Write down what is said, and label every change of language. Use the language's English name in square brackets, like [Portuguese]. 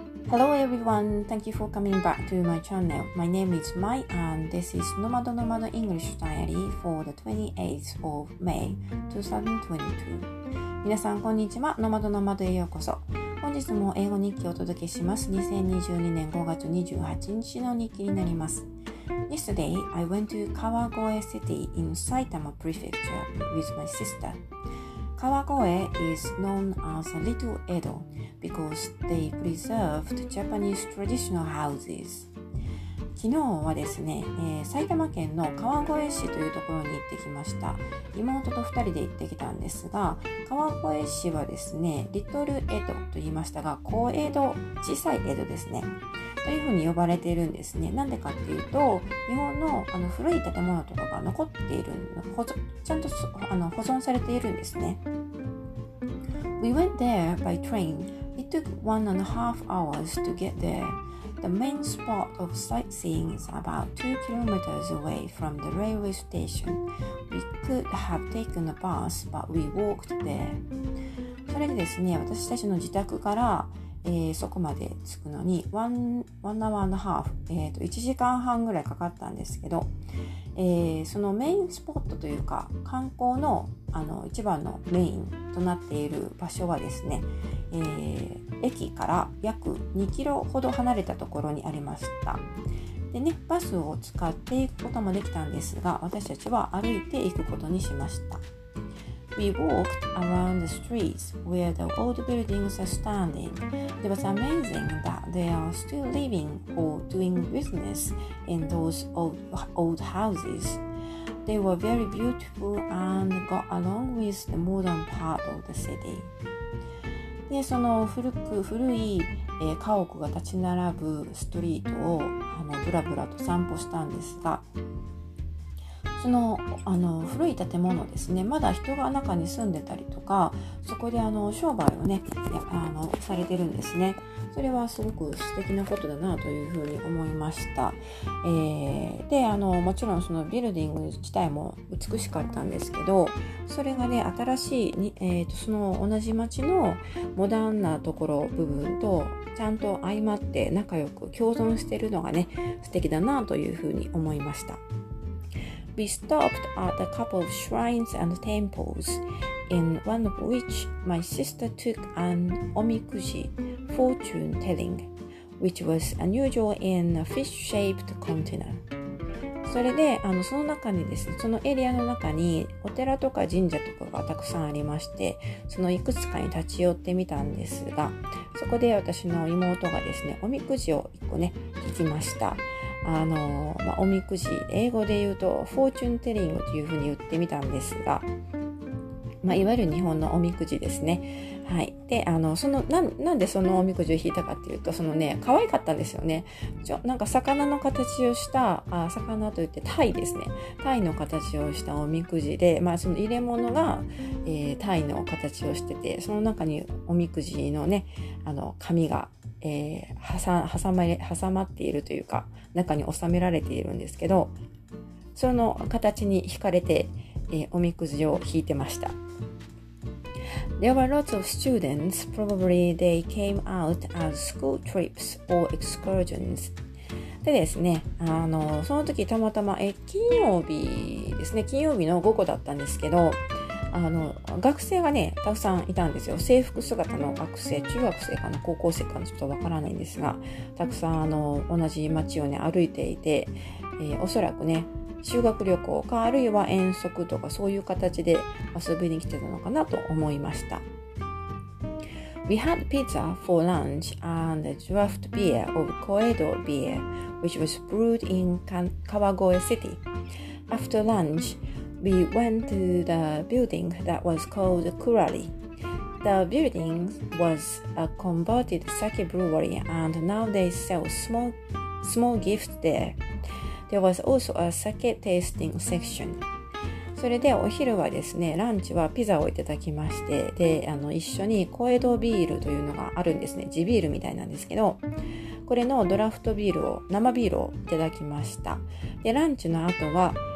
[English] Hello everyone, thank you for coming back to my channel. My name is Mai and this is Nomad Nomad English Diary for the 28th of May 2022. [Japanese] 皆さんこんにちは、Nomad Nomadへようこそ。本日も英語日記をお届けします。2022年5月28日の日記になります。 [English] Yesterday, I went to Kawagoe City in Saitama Prefecture with my sister. Kawagoe is known as a little Edo because they preserved Japanese traditional houses. [Japanese] 昨日はですね、埼玉県の川越市というところに行ってきました。妹と二人で行ってきたんですが、川越市はですね、リトルエドと言いましたが、小江戸、小さい江戸ですね。というふうに呼ばれているんですね。なんでかっていうと、日本の、古い建物とかが残っている、ちゃんと保存されているんですね。 [English] We went there by train. It took 1.5 hours to get there. The main spot of sightseeing is about 2 kilometers away from the railway station. We could have taken a bus, but we walked there. [Japanese] それでですね、私たちの自宅からそこまで着くのに [English] 1 hour and a half [Japanese] 1時間半ぐらいかかったんですけど、そのメインスポットというか観光 の, 一番のメインとなっている場所はですね、駅から約2キロほど離れたところにありました。でね、バスを使っていくこともできたんですが、私たちは歩いて行くことにしました。 [English] We walked around the streets where the old buildings are standing. It was amazing that they are still living or doing business in those old houses. They were very beautiful and got along with the modern part of the city. [Japanese] で、その古い家屋が立ち並ぶストリートをぶらぶらと散歩したんですが、その、古い建物ですね、まだ人が中に住んでたりとか、そこで商売をね、されてるんですね。それはすごく素敵なことだなというふうに思いました。で、もちろんそのビルディング自体も美しかったんですけど、それがね、新しいに、その同じ町のモダンなところ部分とちゃんと相まって仲良く共存してるのがね、素敵だなというふうに思いました。 [English] We stopped at a couple of shrines and temples, in one of which my sister took an omikuji, fortune telling, which was unusual in a fish-shaped container. [Japanese] それで、その中にですね、そのエリアの中にお寺とか神社とかがたくさんありまして、そのいくつかに立ち寄ってみたんですが、そこで私の妹がですね、おみくじを一個ね、引きました。おみくじ、英語で言うとフォーチュンテリングというふうに言ってみたんですが、まあ、いわゆる日本のおみくじですね。はい。で、なんでそのおみくじを引いたかっていうと、そのね、可愛かったんですよね。なんか魚の形をした、魚と言ってタイですね。タイの形をしたおみくじで、まあその入れ物が、タイの形をしてて、その中におみくじのね、紙が、挟まっているというか、中に収められているんですけど、その形に惹かれて、おみくじを引いてました。 [English] There were lots of students, probably they came out as school trips or excursions. [Japanese] でですね、その時たまたま、金曜日ですね、金曜日の午後だったんですけど、学生がね、たくさんいたんですよ。制服姿の学生、中学生かな、高校生かな、ちょっとわからないんですが、たくさん同じ街をね、歩いていて、おそらくね、修学旅行か、あるいは遠足とか、そういう形で遊びに来てたのかなと思いました。 [English] We had pizza for lunch and a draft beer of Koedo beer, which was brewed in Kawagoe City. After lunch, we went to the building that was called Kurari. The building was a converted sake brewery and now they sell small gifts there. There was also a sake tasting section. [Japanese] それでお昼はですね、ランチはピザをいただきまして、で、一緒に小江戸ビールというのがあるんですね。地ビールみたいなんですけど、これのドラフトビールを、生ビールをいただきました。で、ランチの後は、